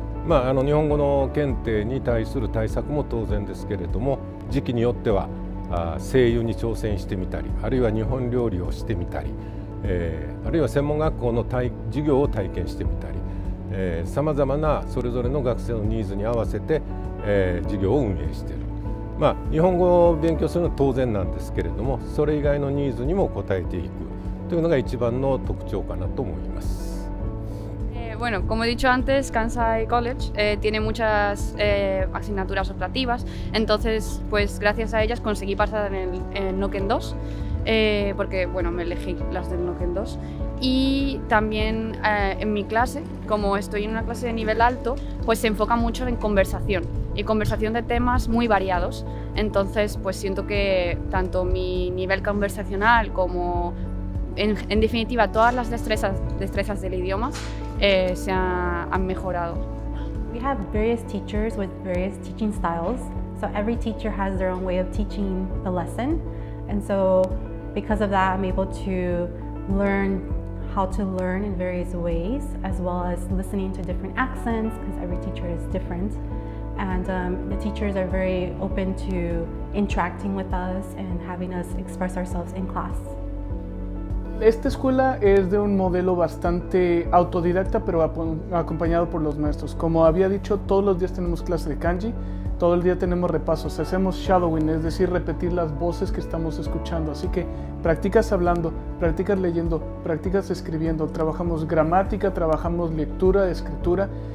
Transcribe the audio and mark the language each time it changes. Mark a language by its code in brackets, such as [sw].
[ja] まあ、日本語の検定に対する対策も当然ですけれども、時期によっては声優に挑戦してみたり、あるいは日本料理をしてみたり、あるいは専門学校の授業を体験してみたり、さまざまなそれぞれの学生のニーズに合わせて、授業を運営している。まあ、日本語を勉強するのは当然なんですけれども、それ以外のニーズにも応えていくというのが一番の特徴かなと思います。 [es] Bueno, como he dicho antes, Kansai College tiene muchas asignaturas optativas. Entonces, pues gracias a ellas conseguí pasar en el Noken 2, porque bueno, me elegí las del Noken 2. Y también en mi clase, como estoy en una clase de nivel alto, pues se enfoca mucho en conversación y conversación de temas muy variados. Entonces, pues siento que tanto mi nivel conversacional como, en definitiva, todas las destrezas del idioma. [en] We have various teachers with various teaching styles, so every teacher has their own way of teaching the lesson, and so because of that I'm able to learn how to learn in various ways, as well as listening to different accents, because every teacher is different, and the teachers are very open to interacting with us and having us express ourselves in class. [es] Esta escuela es de un modelo bastante autodidacta, pero acompañado por los maestros. Como había dicho, todos los días tenemos clase de kanji, todo el día tenemos repasos, hacemos shadowing, es decir, repetir las voces que estamos escuchando. Así que practicas hablando, practicas leyendo, practicas escribiendo, trabajamos gramática, trabajamos lectura, escritura.